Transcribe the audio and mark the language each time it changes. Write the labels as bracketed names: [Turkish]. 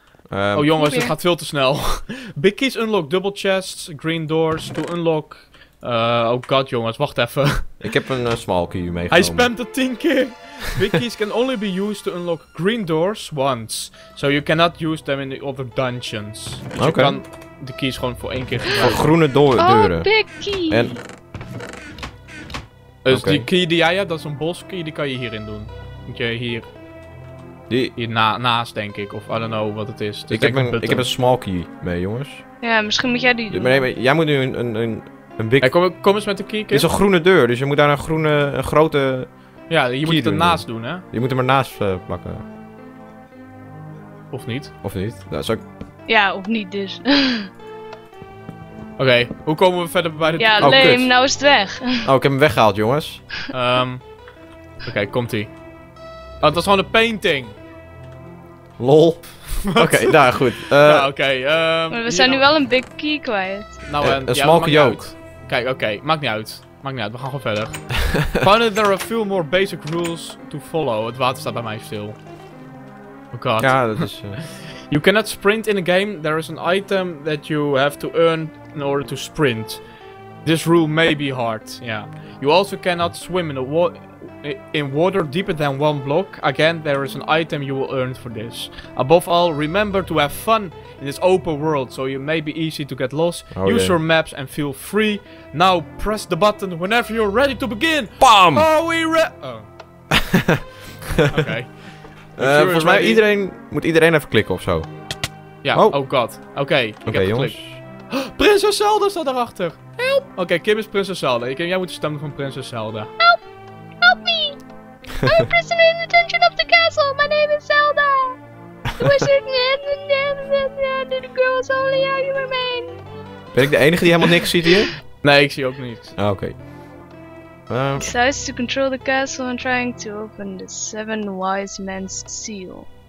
[Dutch] Oh jongens, het gaat veel te snel. [English] Big keys unlock, double chests, green doors to unlock. [Dutch] Oh god jongens, wacht even. Ik heb een small key meegenomen. Hij spamt het 10 keer. [English] Big keys can only be used to unlock green doors once. So you cannot use them in the other dungeons. [Dutch] Dus je kan de keys gewoon voor 1 keer gebruiken. Voor groene deuren. Oh, big key. En... Dus die key die jij hebt, dat is een boss key, die kan je hierin doen. Moet je hier... Die... Hiernaast denk ik, of [English] I don't know [Dutch] wat het is. Ik heb een small key mee, jongens. Ja, misschien moet jij die doen. Nee, maar jij moet nu een big... Hey, kom eens met de key. Het is een groene deur, dus je moet daar een grote... Ja, je moet het ernaast doen, hè? Je moet hem ernaast plakken. Of niet. Of niet. Nou, zou ik... Ja, of niet dus. Oké, hoe komen we verder bij de... Ja, alleen, nou is het weg. Oh, ik heb hem weggehaald, jongens. Oké, komt-ie. Oh, het was gewoon een painting. Lol. Oké, nou goed. Maar we zijn nu wel een big key kwijt. Nou, een small key ook. Kijk, maakt niet uit. We gaan gewoon verder. [English] Found that there are a few more basic rules to follow. [Dutch] Het water staat bij mij stil. [English] Oh god. [Dutch] Ja, dat is... [English] You cannot sprint in a game. There is an item that you have to earn in order to sprint. This rule may be hard. Yeah. You also cannot swim in a water... In water deeper than one block, again, there is an item you will earn for this. Above all, remember to have fun in this open world, so you may be easy to get lost. Oh, use your maps and feel free. Now press the button whenever you're ready to begin. Bam! Are we ready? Oh. [Dutch] Volgens mij moet iedereen even klikken of zo. Ja, yeah. Oh god. Oké, jongens. Prinses Zelda staat erachter. Help! Oké, Kim is Prinses Zelda. Jij moet de stem van Prinses Zelda. [English] I'm a prisoner in the dungeon of the castle. My name is Zelda. The wizard and the girls only how you remain. [Dutch] Ben ik de enige die helemaal niks ziet hier? Nee, ik zie ook niks. Oh, oké. [English] Decides to control the castle and trying to open the seven wise men's seal.